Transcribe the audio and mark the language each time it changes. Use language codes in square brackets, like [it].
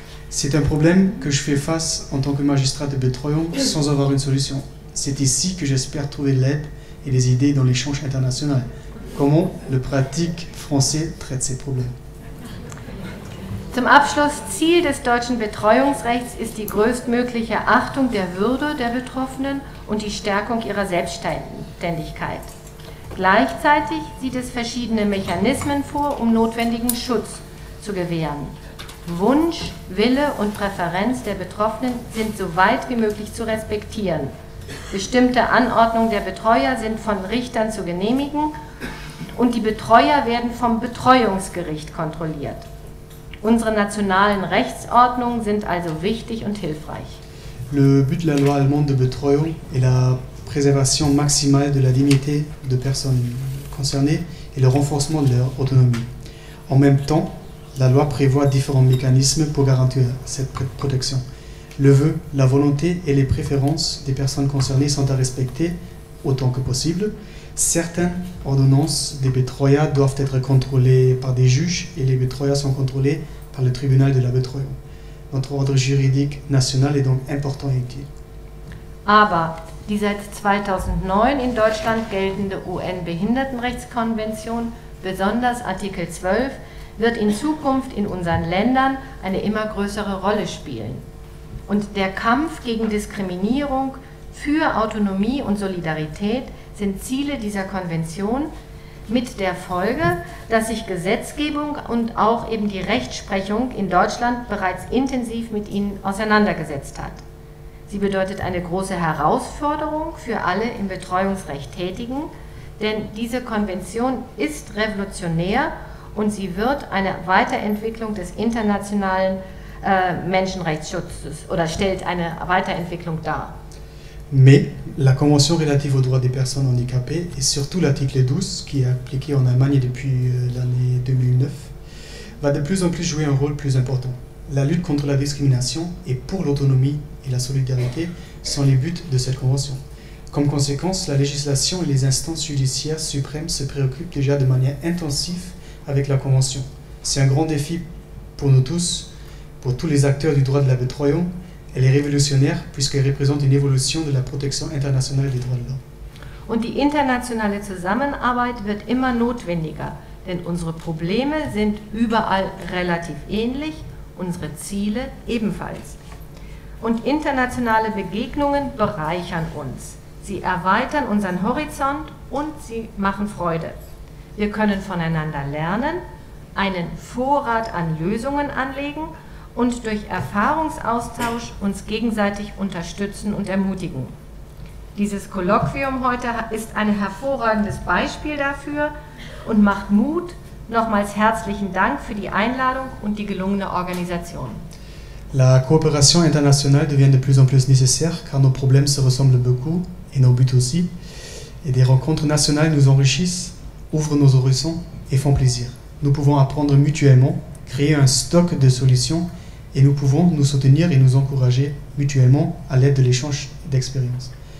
[fr] C'est un problème que je fais face en tant que magistrat de Betreuung sans avoir une solution. C'est ici que j'espère trouver de l'aide et des idées dans l'échange international. Comment le pratique français traite ces problèmes? [de] Zum Abschluss, Ziel des deutschen Betreuungsrechts ist die größtmögliche Achtung der Würde der Betroffenen und die Stärkung ihrer Selbstständigkeit. Gleichzeitig sieht es verschiedene Mechanismen vor, um notwendigen Schutz zu gewähren. Wunsch, Wille und Präferenz der Betroffenen sind so weit wie möglich zu respektieren. Bestimmte Anordnungen der Betreuer sind von Richtern zu genehmigen und die Betreuer werden vom Betreuungsgericht kontrolliert. Unsere nationalen Rechtsordnungen sind also wichtig und hilfreich. [fr] Le but de la loi allemande de Betreuung est la préservation maximale de la dignité de personnes concernées et le renforcement de leur autonomie. En même temps, la loi prévoit différents mécanismes pour garantir cette protection. Le vœu, la volonté et les préférences des personnes concernées sont à respecter autant que possible. Certaines ordonnances des Betreuers doivent être contrôlées par des juges et les Betreuers sont contrôlés par le tribunal de la Betreuung. Notre ordre juridique national est donc important et utile. [de] Aber die seit 2009 in Deutschland geltende UN-Behindertenrechtskonvention, besonders Artikel 12, wird in Zukunft in unseren Ländern eine immer größere Rolle spielen. Und der Kampf gegen Diskriminierung, für Autonomie und Solidarität sind Ziele dieser Konvention, mit der Folge, dass sich Gesetzgebung und auch eben die Rechtsprechung in Deutschland bereits intensiv mit ihnen auseinandergesetzt hat. Sie bedeutet eine große Herausforderung für alle im Betreuungsrecht Tätigen, denn diese Konvention ist revolutionär. Und sie wird eine Weiterentwicklung des internationalen Menschenrechtsschutzes oder stellt eine Weiterentwicklung dar. [fr] Mais la convention relative aux droits des personnes handicapées et surtout l'article 12 qui est appliqué en Allemagne depuis l'année 2009 va de plus en plus jouer un rôle plus important. La lutte contre la discrimination et pour l'autonomie et la solidarité sont les buts de cette convention. Comme conséquence, la législation et les instances judiciaires suprêmes se préoccupent déjà de manière intensive avec la Convention. C'est un grand défi pour nous tous, pour tous les acteurs du droit de la Betreuung. Elle est révolutionnaire puisqu'elle représente une évolution de la protection internationale des droits de l'homme. [de] Und die internationale Zusammenarbeit wird immer notwendiger, denn unsere Probleme sind überall relativ ähnlich, unsere Ziele ebenfalls. Und internationale Begegnungen bereichern uns. Sie erweitern unseren Horizont und sie machen Freude. Wir können voneinander lernen, einen Vorrat an Lösungen anlegen und durch Erfahrungsaustausch uns gegenseitig unterstützen und ermutigen. Dieses Kolloquium heute ist ein hervorragendes Beispiel dafür und macht Mut. Nochmals herzlichen Dank für die Einladung und die gelungene Organisation. [fr] La coopération internationale devient de plus en plus nécessaire car nos problèmes se ressemblent beaucoup et nos buts aussi. Et des rencontres nationales nous enrichissent, ouvrent nos horizons et font plaisir. Nous pouvons apprendre mutuellement, créer un stock de solutions et nous pouvons nous soutenir et nous encourager mutuellement à l'aide de l'échange d'expériences.